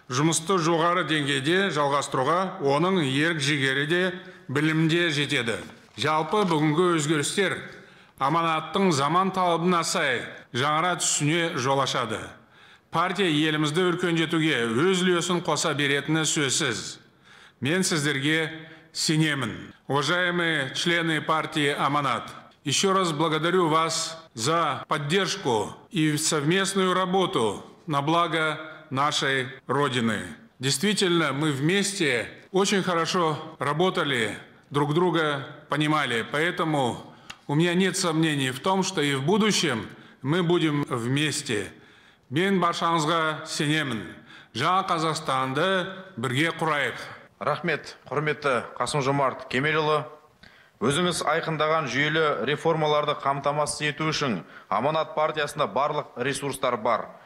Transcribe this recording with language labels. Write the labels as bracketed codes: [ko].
[kk] Жұмысты жоғары деңгейде жалғастыруға оның ерік жігері де білімде жетеді. Жалпы бүгінгі өзгерістер аманаттың заман талабына сай жаңара түсіне жол ашады. Партия елімізді өркендетуге өз үлесін қоса беретіні сөзсіз. Мен сіздерге сенемін. [ru] Уважаемые члены партии Аманат, еще раз благодарю вас за поддержку и совместную работу на благо нашей Родины. Действительно, мы вместе очень хорошо работали, друг друга понимали. Поэтому у меня нет сомнений в том, что и в будущем мы будем вместе. [kk] Мен баршаңызға сенемін. Жаңа Қазақстанды бірге құрайық. Рахмет, құрметті Қасым-Жомарт Кемелұлы. Өзіңіз айқындаған жүйелі реформаларды қамтамасыз ету үшін Аманат партиясында барлық ресурстар бар.